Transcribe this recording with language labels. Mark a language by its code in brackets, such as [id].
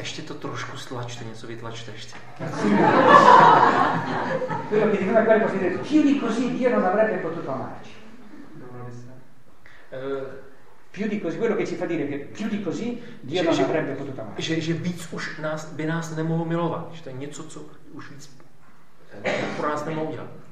[cs] Ještě to trošku stlačte, něco vytlačte ještě. [it] Quello che diceva quel cosiddetto, più di così Dio non avrebbe potuto amarci. Più di così, quello che ci fa dire che più di così Dio non avrebbe potuto amarci. [cs] Že víc už nás, by nás nemohlo milovat, že to je něco, co už víc pro nás nemohlo udělat.